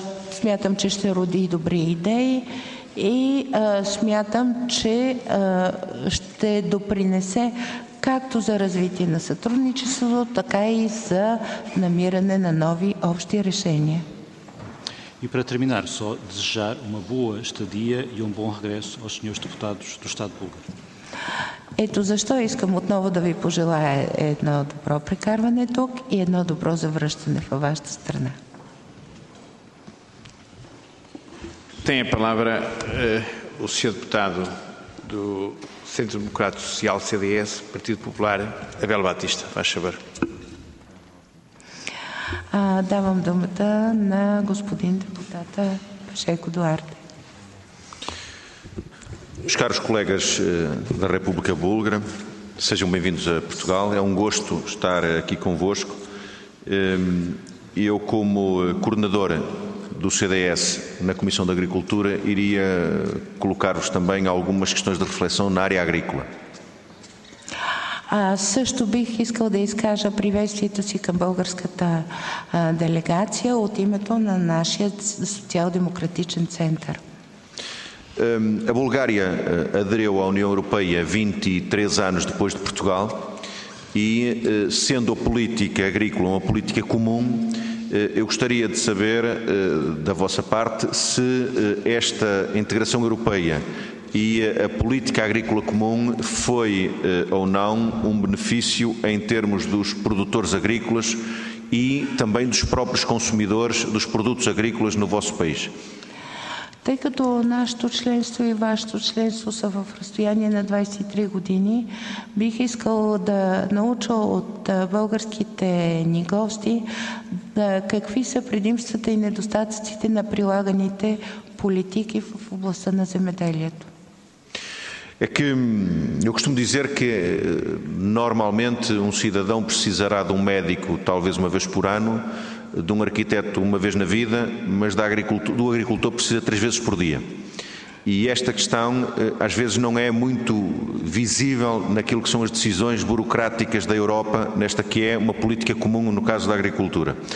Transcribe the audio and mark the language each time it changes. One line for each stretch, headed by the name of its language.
Bulgarian: Смятам, че ще роди и добри идеи и смятам, че ще допринесе както за развитие на сътрудничеството, така и за намиране на нови общи решения.
Portuguese: И para terminar, só desejar uma boa estadia и um bom regresso aos senhores deputados do Estado Búlgaro.
Bulgarian: Ето защо искам отново да ви пожелая едно добро прекарване тук и едно добро завръщане във вашата страна.
Portuguese: Tem a palavra o senhor deputado do Centro Democrático Social CDS, Partido Popular, Abel Batista. Faz favor.
Bulgarian: Давам думата на господин депутата Пашеко Дуарте.
Portuguese: Os caros colegas da República Búlgara, sejam bem-vindos a Portugal. É um gosto estar aqui convosco. Eu, como coordenadora do CDS na Comissão de Agricultura, iria colocar-vos também algumas questões de reflexão na área agrícola.
Bulgarian: Също бих искал да изкажа приветствието си към българската делегация от името на нашия социал-демократичен център.
Portuguese: A Bulgária aderiu à União Europeia 23 anos depois de Portugal e, sendo a política agrícola uma política comum, eu gostaria de saber, da vossa parte, se esta integração europeia e a política agrícola comum foi ou não um benefício em termos dos produtores agrícolas e também dos próprios consumidores dos produtos agrícolas no vosso país.
Bulgarian: Тъй като нашето членство и вашето членство са в разстояние на 23 години, бих искала да науча от българските ни гости да, какви са предимствата и недостатъците на прилаганите политики в областта на земеделието.
Portuguese: É que eu costumo dizer que normalmente cidadão precisará de médico talvez uma vez por ano, de arquiteto uma vez na vida, mas do agricultor precisa três vezes por dia. E esta questão às vezes não é muito visível naquilo que são as decisões burocráticas da Europa, nesta que é uma política comum no caso da agricultura.